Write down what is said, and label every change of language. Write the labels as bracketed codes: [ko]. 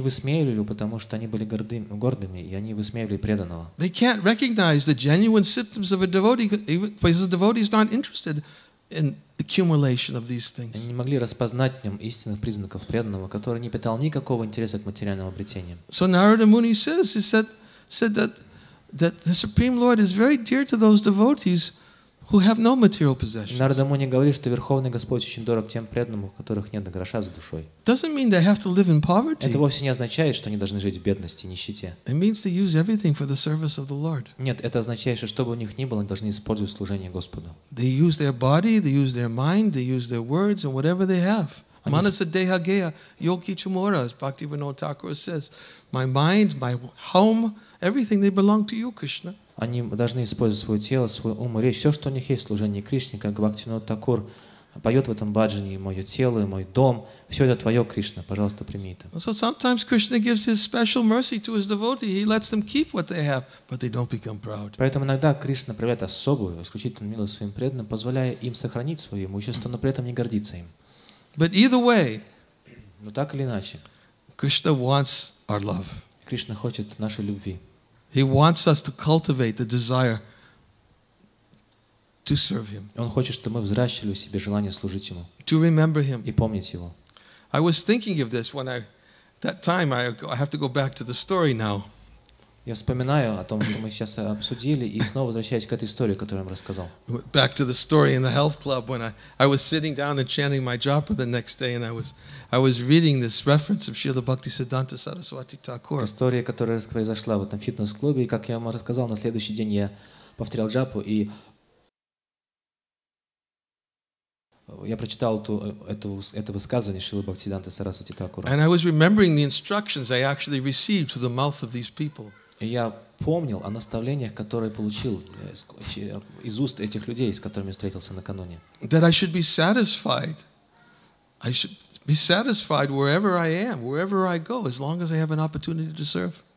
[ru] высмеивали, потому что они были гордыми, и они высмеивали преданного. [en] They can't recognize the genuine symptoms of a devotee, because the devotee is not interested in accumulation of these things. [ru] Они не могли распознать в нем истинных признаков преданного, который не питал никакого интереса к материальным обретениям. [en] So Narada Muni says, he said that the Supreme Lord is very dear to those devotees who have no material possessions. [ru] Narada Muni говорит, что Верховный Господь очень дорог тем преданным, у которых нет гроша за душой. [en] Doesn't mean they have to live in poverty. [ru] Это вовсе не означает, что они должны жить в бедности и нищете. [en] It means they use everything for the service of the Lord. [ru] Нет, это означает, что чтобы у них ни было, они должны использовать служение Господу. [en] They use their body, they use their mind, they use their words and whatever they have. [bn] Manasa deha geya yogi chumora, [en] as Bhaktivinoda Thakura says, my mind, my home, everything they belong to you, Krishna. [ru] Они должны использовать свое тело, свой ум и речь. Все, что у них есть в служении Кришне, как Бхактивинода Такур поет в этом баджане, мое тело, мой дом, все это твое, Кришна, пожалуйста, прими это. [en] So sometimes Krishna gives his special mercy to his devotee. He lets them keep what they have, but they don't become proud. [ru] Поэтому иногда Кришна проявляет особую, исключительную милость своим преданным, позволяя им сохранить свое имущество, но при этом не гордиться им. [en] But either way, [ru] но так или иначе, [en] Krishna wants our love. [ru] Кришна хочет нашей любви. [en] He wants us to cultivate the desire to serve Him. [ru] Он хочет, чтобы мы взращивали в себе желание служить Ему. [en] To remember Him. [ru] И помнить Его. [en] I was thinking of this when I, that time I have to go back to the story now. [ru] Я вспоминаю о том, что мы сейчас обсудили, и снова возвращаюсь к этой истории, которую я вам рассказал. [en] Back to the story in the health club when I was sitting down and chanting my japa the next day, and I was reading this reference of Srila Bhaktisiddhanta Saraswati Thakur. [ru] История, которая произошла в этом фитнес-клубе, и как я вам рассказал, на следующий день я повторял джапу, и я прочитал это высказывание Шрилы Бхактисиддханты Сарасвати Такура. [en] And I was remembering the instructions I actually received through the mouth of these people. [ru] И я помнил о наставлениях, которые получил из уст этих людей, с которыми встретился накануне. [en] That I should be satisfied. I should be satisfied wherever I am, wherever I go, as long as I have an opportunity to serve.